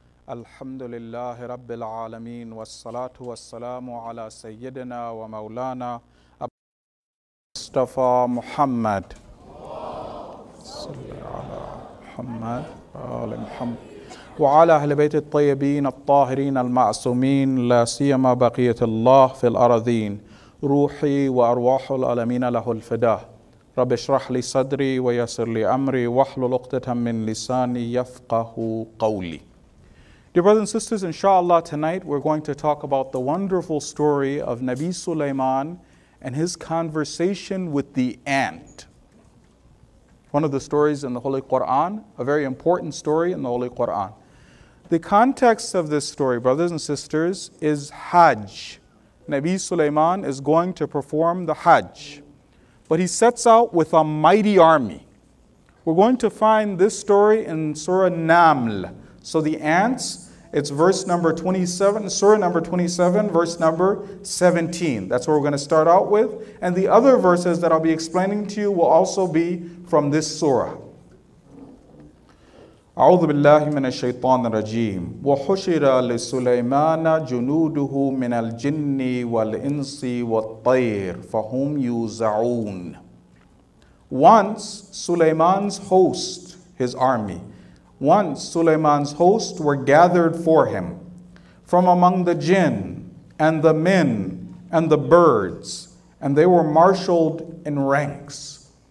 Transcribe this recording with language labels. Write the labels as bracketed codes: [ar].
[ar] الحمد لله رب العالمين والصلاة والسلام على سيدنا ومولانا مصطفى محمد صلى على محمد وعلى محمد وعلى أهل بيت الطيبين الطاهرين المعصومين لا سيما بقية الله في الأرضين روحي وأرواح العالمين له الفداء. رب اشرح لي صدري ويسر لي أمري واحلل عقدة من لساني يفقه قولي. [en] Dear brothers and sisters, inshallah, tonight we're going to talk about the wonderful story of Nabi Sulaiman and his conversation with the ant. One of the stories in the Holy Quran, a very important story in the Holy Quran. The context of this story, brothers and sisters, is Hajj. Nabi Sulaiman is going to perform the Hajj, but he sets out with a mighty army. We're going to find this story in Surah Naml. So the ants, it's verse number 27, Surah number 27, verse number 17. That's what we're going to start out with. And the other verses that I'll be explaining to you will also be from this surah. [ar] أعوذ بالله من الشيطان الرجيم وحشر لسليمان جنوده من الجن والإنس والطير فهم يوزعون. [en] Once Sulaiman's host, his army, once Sulaiman's host were gathered for him from among the jinn and the men and the birds, and they were marshaled in ranks.